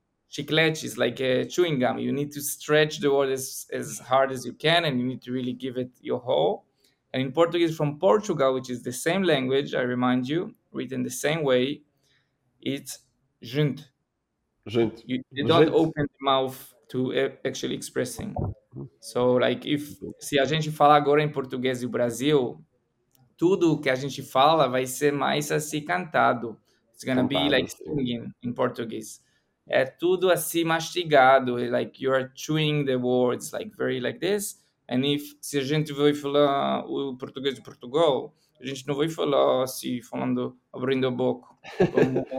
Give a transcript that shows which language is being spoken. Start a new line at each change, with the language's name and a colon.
English: chiclete is like a chewing gum. You need to stretch the word as hard as you can, and you need to really give it your whole. And in Portuguese from Portugal, which is the same language, I remind you, written the same way, it's junt.
Portuguese: Junt.
English: You don't open the mouth to actually expressing. So like if,
Portuguese: se a gente falar agora em português e o Brasil, tudo que a gente fala vai ser mais assim cantado.
English: It's going to be like singing in Portuguese.
Portuguese: É tudo assim mastigado,
English: like you are chewing the words, like very like this. And if,
Portuguese: se a gente vai falar o português de Portugal, a gente não vai falar assim, falando, abrindo a boca. Como...